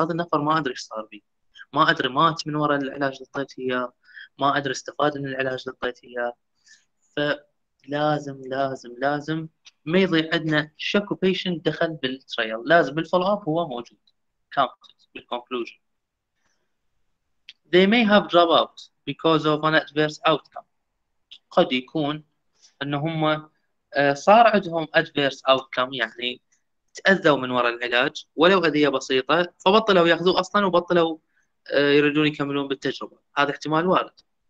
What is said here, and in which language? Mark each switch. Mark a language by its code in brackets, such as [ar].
[ar] هذا النفر ما أدري إيش صار بي، ما أدري مات من وراء العلاج اللي أعطيته إياه، ما أدري استفاد من العلاج اللي أعطيته إياه. فلازم لازم لازم ما يضيع عندنا شكو بيشنت دخل بالتريال، لازم بالفولو أب هو موجود كامبتد بالكونكلوجن. [en] They may have dropped out because of an adverse outcome. [ar] قد يكون أن هم صار عندهم adverse outcome، يعني تأذوا من وراء العلاج ولو أذية بسيطة، فبطلوا يأخذوا أصلا وبطلوا يريدون يكملون بالتجربة. هذا احتمال وارد.